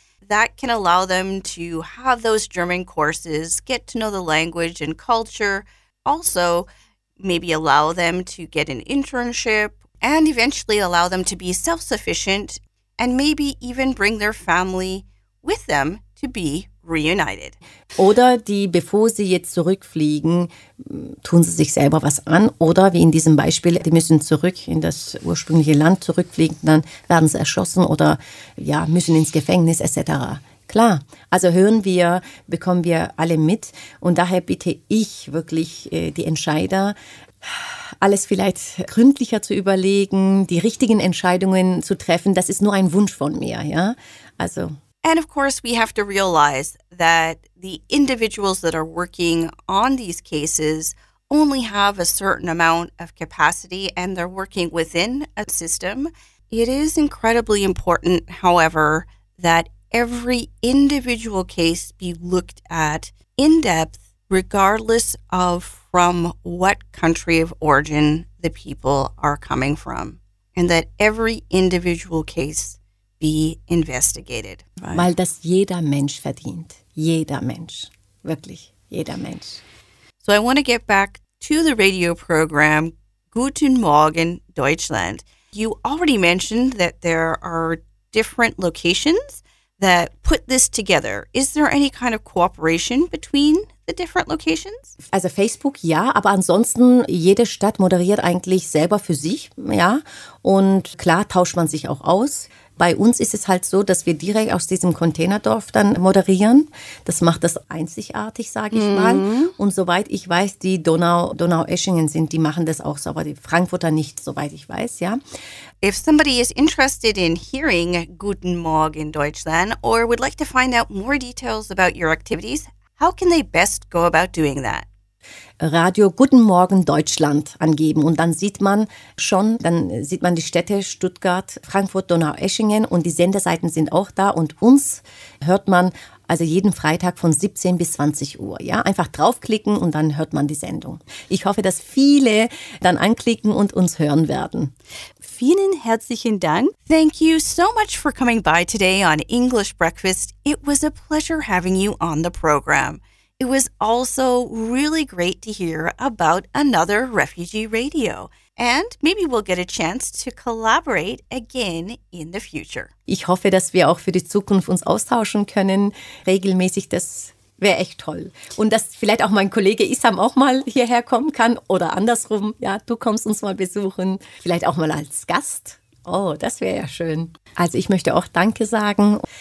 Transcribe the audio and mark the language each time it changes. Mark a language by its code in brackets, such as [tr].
[en] That can allow them to have those German courses, get to know the language and culture, also maybe allow them to get an internship and eventually allow them to be self-sufficient and maybe even bring their family with them to be reunited. [de] Oder die, bevor sie jetzt zurückfliegen, tun sie sich selber was an. Oder wie in diesem Beispiel, die müssen zurück in das ursprüngliche Land zurückfliegen, dann werden sie erschossen oder ja, müssen ins Gefängnis etc. Klar, also hören wir, bekommen wir alle mit und daher bitte ich wirklich die Entscheider, alles vielleicht gründlicher zu überlegen, die richtigen Entscheidungen zu treffen. Das ist nur ein Wunsch von mir, ja. Also. [en] And of course we have to realize that the individuals that are working on these cases only have a certain amount of capacity and they're working within a system. It is incredibly important, however, that every individual case be looked at in depth, regardless of from what country of origin the people are coming from, and that every individual case be investigated. [de] Right. Weil das jeder Mensch verdient. Jeder Mensch. Wirklich, jeder Mensch. [en] So I want to get back to the radio program, Guten Morgen Deutschland. You already mentioned that there are different locations that put this together. Is there any kind of cooperation between the different locations? [de] Also Facebook, ja, aber ansonsten, jede Stadt moderiert eigentlich selber für sich, ja. Und klar, tauscht man sich auch aus. Bei uns ist es halt so, dass wir direkt aus diesem Containerdorf dann moderieren. Das macht das einzigartig, sage ich mal. Und soweit ich weiß, die Donau-Eschingen sind, die machen das auch so, aber die Frankfurter nicht, soweit ich weiß, ja. [en] If somebody is interested in hearing Guten Morgen Deutschland or would like to find out more details about your activities, how can they best go about doing that? [de] Radio Guten Morgen Deutschland angeben und dann sieht man schon, dann sieht man die Städte Stuttgart, Frankfurt, Donau-Eschingen und die Senderseiten sind auch da und uns hört man also jeden Freitag von 17 bis 20 Uhr. Ja? Einfach draufklicken und dann hört man die Sendung. Ich hoffe, dass viele dann anklicken und uns hören werden. Vielen herzlichen Dank. [en] Thank you so much for coming by today on English Breakfast. It was a pleasure having you on the program. It was also really great to hear about another refugee radio. And maybe we'll get a chance to collaborate again in the future. [de] Ich hoffe, dass wir auch für die Zukunft uns austauschen können, regelmäßig. Das wäre echt toll. Und dass vielleicht auch mein Kollege Isam auch mal hierher kommen kann oder andersrum. Ja, du kommst uns mal besuchen, vielleicht auch mal als Gast. Oh, das wäre ja schön. Also ich möchte auch Danke sagen.